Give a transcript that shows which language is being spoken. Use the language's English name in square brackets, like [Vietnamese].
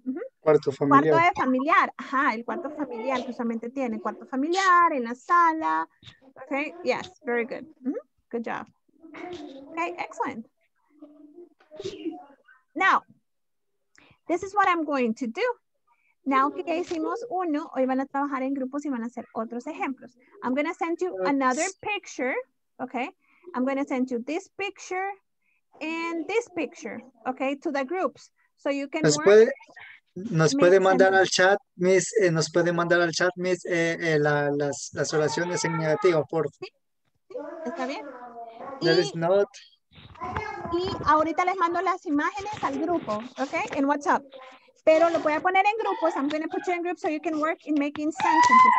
[Spanish] Mm-hmm. Cuarto familiar. Cuarto de familiar. Ajá, el cuarto familiar justamente tiene. Cuarto familiar, en la sala. [English] Okay, yes, very good. Mm-hmm. Good job. Okay, excellent. Now, this is what I'm going to do. [Spanish] Now que ya hicimos uno, hoy van a trabajar en grupos y van a hacer otros ejemplos. [English] I'm going to send you another picture, okay? I'm going to send you this picture and this picture, okay, to the groups. So you can [Spanish] nos [English] work. [Spanish] Puede, nos puede mandar al chat, Miss, nos puede mandar al chat, Miss, las oraciones en negativo, por favor. ¿Sí? Está bien. [English] There is not. [Spanish] Y ahorita les mando las imágenes al grupo, okay, en WhatsApp. Pero lo voy a poner en grupos. [English] I'm going to put you in groups so you can work in making sentences.